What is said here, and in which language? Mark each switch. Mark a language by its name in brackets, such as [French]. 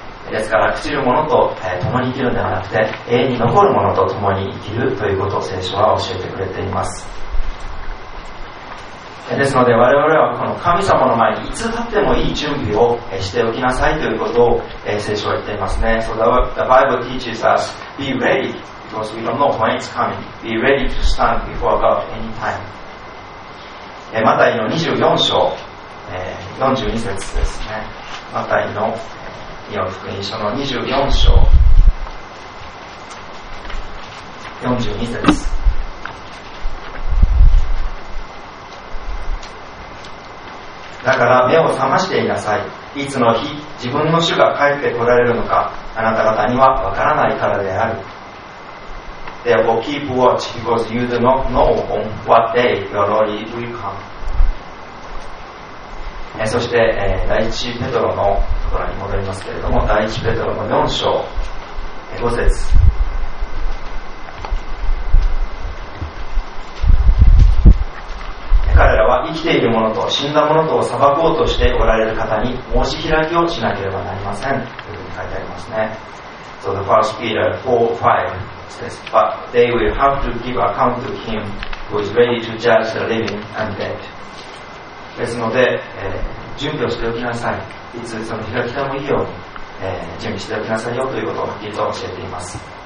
[Japanese] ですから、朽ちるものと共に生きるのではなくて、永遠に残るものと共に生きるということを聖書は教えてくれています。ですので、我々はこの神様の前にいつ立ってもいい準備をしておきなさいということを聖書は言っていますね。 [English] So the Bible teaches us, be ready, because we don't know when it's coming. Be ready to stand before God anytime. [Japanese] マタイの24章、42節ですね。マタイの日本福音書の24章、42節です。だから目を覚ましていなさい。いつの日自分の主が帰ってこられるのか、あなた方にはわからないからである。 [English] Therefore keep watch, because you do not know on what day your Lord will come. [Japanese] そして、第一ペトロのところに戻りますけれども、第一ペトロの4章5節、彼らは生きているものと死んだものとを裁こうとしておられる方に申し開きをしなければなりません、というふうに書いてありますね。 [English] So the first Peter 4:5 says, But they will have to give account to him who is ready to judge the living and dead. [Japanese] ですので、準備をしておきなさい。いつその日が来てもいいように、準備しておきなさいよ、ということをはっきりと教えています。